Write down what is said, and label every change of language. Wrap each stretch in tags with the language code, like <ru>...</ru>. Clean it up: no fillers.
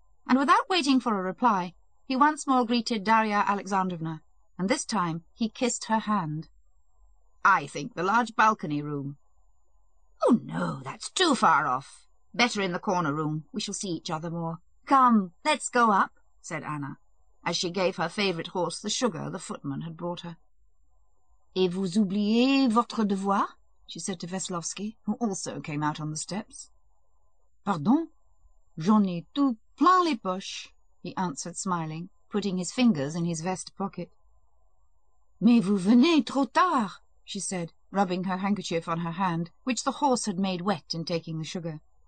<en>And without waiting for a reply, he once more greeted Darya Alexandrovna, and this time he kissed her hand. "I think the large balcony room." "Oh, no, that's too far off. Better in the corner room. We shall see each other more. Come, let's go up," said Anna, as she gave her favourite horse the sugar the footman had brought her.</en> <fr>"Et vous oubliez votre devoir?"</fr> <en>she said to Veslovsky, who also came out on the steps.</en> <fr>"Pardon? J'en ai tout plein les poches,"</fr> <en>he answered, smiling, putting his fingers in his vest pocket.</en> <fr>"Mais vous venez trop tard,"</fr> <en>she said, rubbing her handkerchief on her hand, which the horse had made wet in taking the sugar.</en>